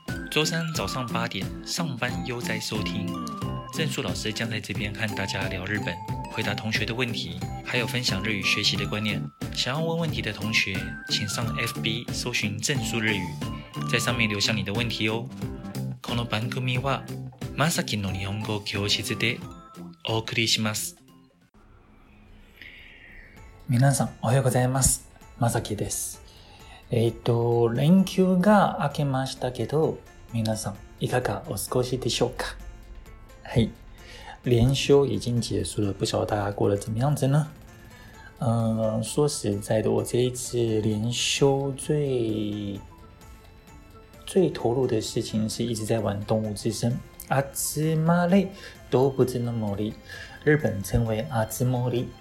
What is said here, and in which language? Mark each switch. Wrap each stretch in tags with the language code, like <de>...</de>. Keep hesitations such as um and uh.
<zh>周三早上八点，上班悠哉收听正数老师将在这边和大家聊日本，回答同学的问题，还有分享日语学习的观念。想要问问题的同学，请上 FB 搜寻正数日语，在上面留下你的问题哦。</zh> <ja>この番組はマサキの日本語教室でお送りします。皆さん、おはようございます。まさきです。えっ、ー、と、連休が明けましたけど、皆さん、いかがお過ごしでしょうかはい。</ja> <zh>連休已经结束了。不晓得大家过得怎么样子呢嗯、呃、うん、说实在的、我这一次連休最、最投入的事情は一直在玩動物之声。</zh> <ja>あつまれ動物の森。</ja> <zh>日本称为</zh> <ja>あつ森。</ja>